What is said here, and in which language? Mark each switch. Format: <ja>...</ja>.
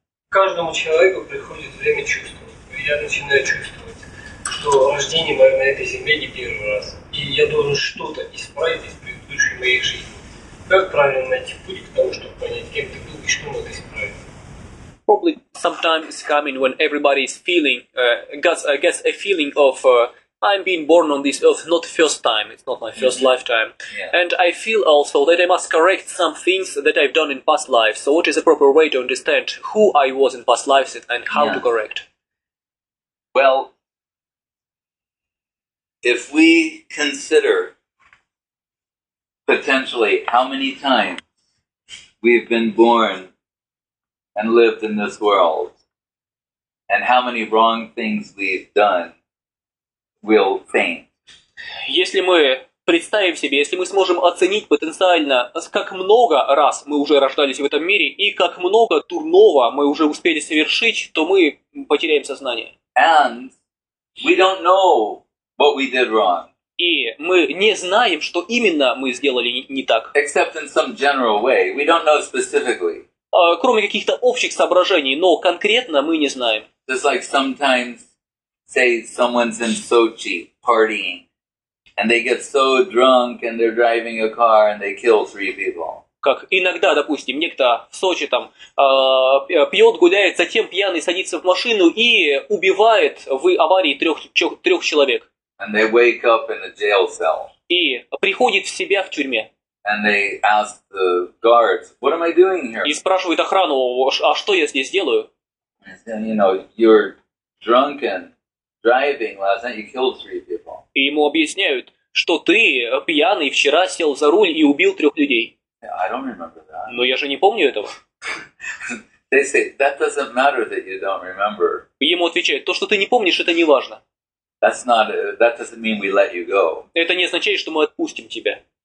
<ru>Каждому человеку приходит время чувствовать. И я начинаю чувствовать, что рождение мое на этой земле не первый раз. И я должен что-то исправить из предыдущей моей жизни. Как правильно найти путь к тому, чтобы понять, кем ты был и что надо исправить?</ru> <en>Probably sometimes coming when everybody is feeling, gets a feeling of I'm being born on this earth not first time, it's not my first lifetime. Yeah. And I feel also that I must correct some things that I've done in past lives. So what is the proper way to understand who I was in past lives and how to correct? Well, if we consider potentially how many times we've been born and lived in this world, and how many wrong things we've done, we'll faint.</en> <ru>Если мы представим себе, если мы сможем оценить потенциально, как много раз мы уже рождались в этом мире, и как много дурного мы уже успели совершить, то мы потеряем сознание.</ru> <en>And we don't know what we did wrong.</en> <ru>И мы не знаем, что именно мы сделали не так.</ru> <en>Except in some general way. We don't know specifically.</en> <ru>кроме каких-то общих соображений, но конкретно мы не знаем.</ru> <en>Just like sometimes, say someone's in Sochi partying, and they get so drunk and they're driving a car and they kill three people.</en> <ru>Как иногда, допустим, некто в Сочи там пьет, гуляет, затем пьяный садится в машину и убивает в аварии трех человек.</ru> <en>And they wake up in a jail cell.</en> <ru>И приходит в себя в тюрьме.</ru> <en>And they ask the guards, "What am I doing here?"</en> <ru>И спрашивает охрану, а что я здесь делаю?</ru> <en>And then, you know, you're drunken, driving last night, you killed three people.</en> <ru>И ему объясняют, что ты пьяный вчера сел за руль и убил трех людей.</ru> <en>Yeah, I don't remember that.</en> <ru>Но я же не помню этого.</ru> <en>They say, that doesn't matter that you don't remember.</en> <ru>Ему отвечают, то, что ты не помнишь, это не важно.</ru> <en>That's not, that doesn't mean we let you go.</en> <ru>Это не означает, что мы отпустим тебя.</ru>